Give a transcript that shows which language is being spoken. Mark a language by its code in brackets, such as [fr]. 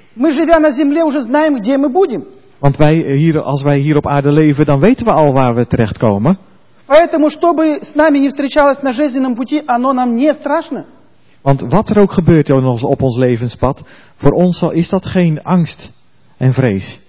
[ru] Мы живя на земле уже знаем, где мы будем. [nl] Want wij hier, als wij hier op aarde leven, dan weten we al waar we terechtkomen. [ru] Поэтому, что бы с нами ни встречалось на жизненном пути, оно нам не страшно. [nl] Want wat er ook gebeurt op ons levenspad, voor ons is dat geen angst en vrees.